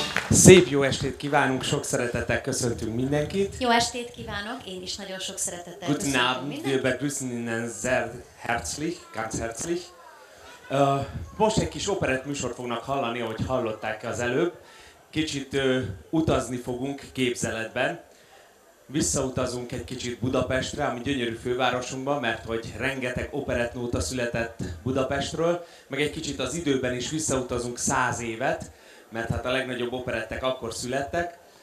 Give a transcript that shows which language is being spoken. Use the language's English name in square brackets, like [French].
[Hungarian] Szép jó estét kívánunk, sok szeretettel köszöntünk mindenkit. Jó estét kívánok, én is nagyon sok szeretettel [German] Guten [Hungarian] köszöntünk [German] Abend, [Hungarian] mindenkit. [German] Wir begrüßen Ihnen sehr herzlich, ganz herzlich. [Hungarian] Most egy kis operett műsort fognak hallani, ahogy hallották az előbb. Kicsit utazni fogunk képzeletben. Visszautazunk egy kicsit Budapestre, ami gyönyörű fővárosunkban, mert hogy rengeteg operettnóta született Budapestről, meg egy kicsit az időben is visszautazunk 100 évet, mert hát a legnagyobb operettek akkor születtek.